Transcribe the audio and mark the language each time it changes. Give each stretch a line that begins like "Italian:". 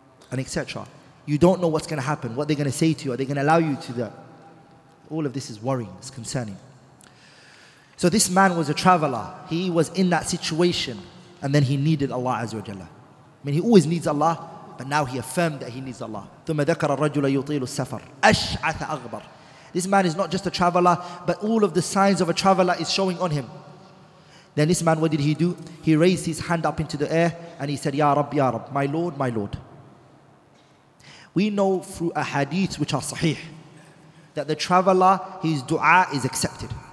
English: And etc. You don't know what's going to happen, what they're going to say to you. Are they going to allow you to do that? All of this is worrying, it's concerning. So this man was a traveler. He was in that situation and then he needed Allah Azza wa Jalla. I mean, he always needs Allah, but now he affirmed that he needs Allah.
Arabic: ثُمَّ ذَكَرَ الرَّجُلَ يُطِيلُ السَّفَرُ أَشْعَثَ أَغْبَرُ.
English: This man is not just a traveler, but all of the signs of a traveler is showing on him. Then this man, what did he do? He raised his hand up into the air and he said, Ya Rabb, my Lord, my Lord. We know through a hadith which are sahih, that the traveler, his dua is accepted.